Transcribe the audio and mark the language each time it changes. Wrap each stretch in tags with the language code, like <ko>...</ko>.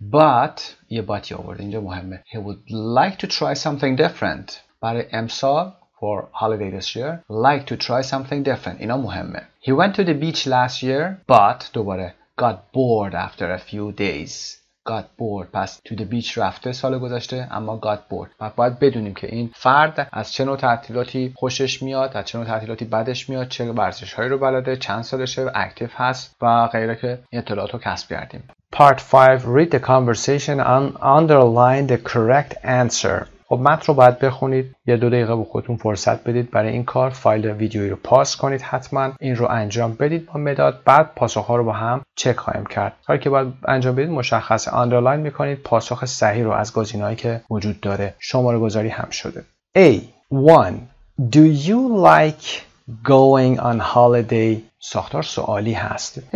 <en>But</en> <fa>یه باتی آورده. اینجا مهمه.</fa> <en>He would like to try something different.</en> <fa>برای امسال</fa> <en>for holiday this year, like to try something different.</en> <fa>اینا مهمه.</fa> <en>He went to the beach last year, but</en> <fa>دوباره</fa> <en>got bored after a few days. Got bored.</en> <fa>پس</fa> <en>to the beach</en> <fa>رفته سال گذشته اما</fa> <en>got bored.</en> <fa>پس باید بدونیم که این فرد از چه نوع تعطیلاتی خوشش میاد، از چه نوع تعطیلاتی بدش میاد، چه ورزش هایی رو بلده، چند سالشه، اکتیف هست و غیره که این اطلاعات رو کسب کردیم.</fa> <en>Part 5. Read the conversation and underline the correct answer.</en> <fa>خب متن رو باید بخونید، یه دو دقیقه به خودتون فرصت بدید برای این کار. فایل ویدیویی رو پاس کنید، حتما این رو انجام بدید با مداد. بعد پاسخ‌ها رو با هم چک خواهیم کرد. کاری که باید انجام بدید مشخص آندرلاین می‌کنید پاسخ صحیح رو از گزینه‌هایی که وجود داره. شماره گذاری هم شده. A 1.</fa> <en>Do you like going on holiday؟</en> <fa>ساختار سوالی هست.</fa>